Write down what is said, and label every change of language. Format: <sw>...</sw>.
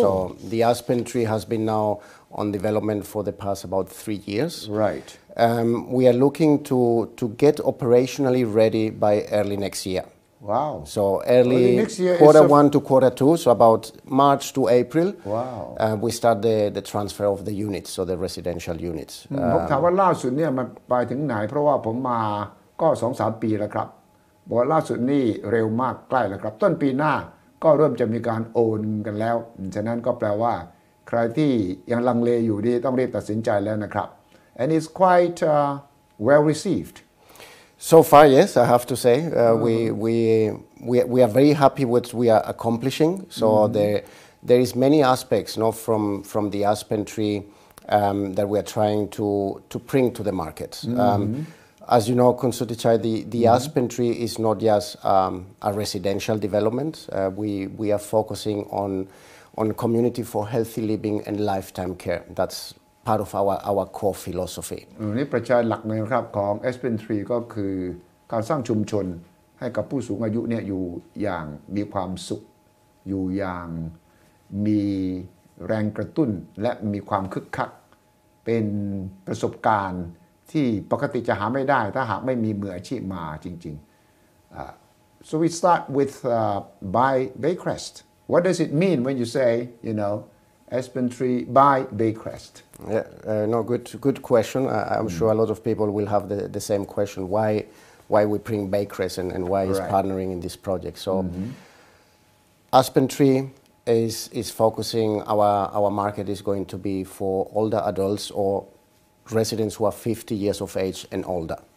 <en>So the Aspen Tree has been now on development for the past about 3 years. Right. We are looking to get operationally ready by early next year. Wow. So early quarter one to quarter two, so about March to April. Wow. We start the transfer of the units, so the residential units.</en> <th>ผมถามว่าล่าสุดเนี่ยมันไปถึงไหนเพราะว่าผมมาก็ 2-3 ปีแล้วครับบอกล่าสุดนี่เร็วมากใกล้แล้วครับต้นปีหน้าก็เริ่มจะมีการโอนกันแล้วฉะนั้นก็แปลว่าใครที่ยังลังเลอยู่นี่ต้องรีบตัดสินใจแล้วนะครับ</th> <en>And it's quite well received. So far, yes, I have to say we are very happy with what we are accomplishing. So there is many aspects, you know, from the Aspen Tree that we are trying to bring to the market. As you know, Suthichai, the Aspen Tree is not just a residential development. We are focusing on community for healthy living and lifetime care. That's. part of our core philosophy.</en> <th>นี่ประชาหลักเลยครับของ Aspen Tree ก็คือการสร้างชุมชนให้กับผู้สูงอายุเนี่ยอยู่อย่างมีความสุขอยู่อย่างมีแรงกระตุ้นและมีความคึกคักเป็นประสบการณ์ที่ปกติจะหาไม่ได้ถ้าหากไม่มีมืออาชีพมาจริงๆ</th> <en>So we start with by Bay Crest. What does it mean when you say, you know, Aspen Tree by Bay Crest? Yeah, no, good question. I'm sure a lot of people will have the same question. Why we bring Bay Crest and why is partnering in this project? So Aspen Tree is focusing, our market is going to be for older adults or residents who are 50 years of age and older.</en>